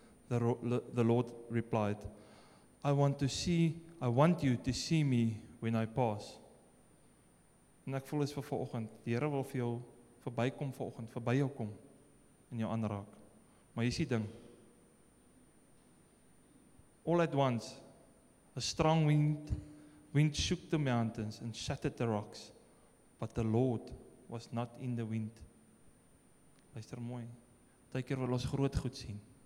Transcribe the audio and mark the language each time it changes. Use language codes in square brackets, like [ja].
[en] The Lord replied, I want you to see me when I pass. [af] En ek voel is vir vanoggend. Die Here wil vir jou verbykom vanoggend, verby jou kom en jou aanraak. Maar hier is die ding. [en] All at once, a strong wind shook the mountains and shattered the rocks. But the Lord was not in the wind. [af] Luister mooi. Daai keer wil ons groot goed sien.